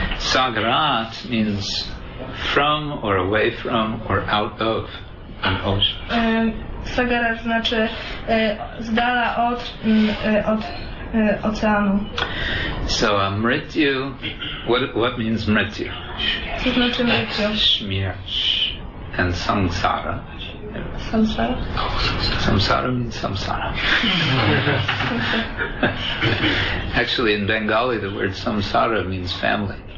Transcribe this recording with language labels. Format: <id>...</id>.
<en>Sagarat means from or away from or out of an ocean.</en> <pl>Sagara znaczy z dala od oceanu.</pl> <en>So mrityu, what means mrityu?</en> <pl>Co znaczy mrityu? Śmierć.</pl> <en>And samsara. Samsara? Samsara means samsara. Actually, in Bengali, the word samsara means family.</en>